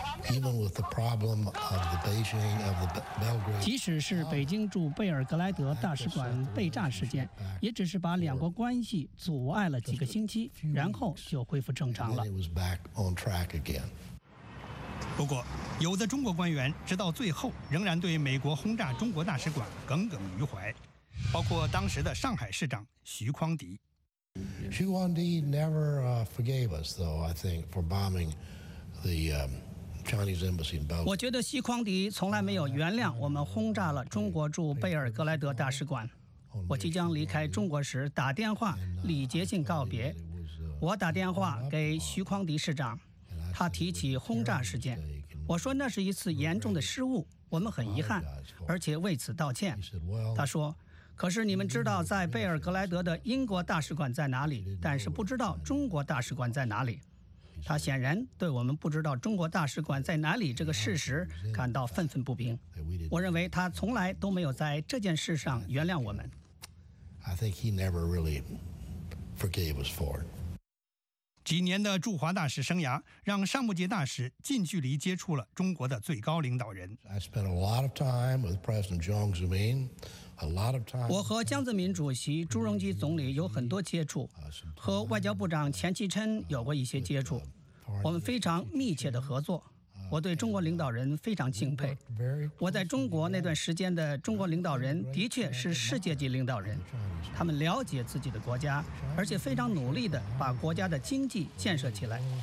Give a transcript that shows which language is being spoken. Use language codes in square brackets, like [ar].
[en] Even with the problem of the Beijing of the Belgrade. [zh] 即使是北京驻贝尔格莱德大使馆被炸事件，也只是把两国关系阻碍了几个星期，然后就恢复正常了。 [en] It was back on track again. [zh] 不过，有的中国官员直到最后仍然对美国轰炸中国大使馆耿耿于怀，包括当时的上海市长徐匡迪。 [en] 徐匡迪 never forgave us, though I think for bombing the Chinese embassy in Belgrade. [zh] 我觉得徐匡迪从来没有原谅我们轰炸了中国驻贝尔格莱德大使馆。我即将离开中国时打电话礼节性告别，我打电话给徐匡迪市长，他提起轰炸事件，我说那是一次严重的失误，我们很遗憾，而且为此道歉。他说。可是你们知道在贝尔格莱德的英国大使馆在哪里，但是不知道中国大使馆在哪里。他显然对我们不知道中国大使馆在哪里这个事实感到愤愤不平。我认为他从来都没有在这件事上原谅我们。 [en] I think he never really forgave us for it. [zh] 几年的驻华大使生涯让尚穆杰大使近距离接触了中国的最高领导人。 [en] I spent a lot of time with President Jiang Zemin. [zh] 我和江泽民主席、朱镕基总理有很多接触，和外交部长钱其琛有过一些接触，我们非常密切的合作。我对中国领导人非常敬佩。我在中国那段时间的中国领导人的确是世界级领导人，他们了解自己的国家，而且非常努力地把国家的经济建设起来。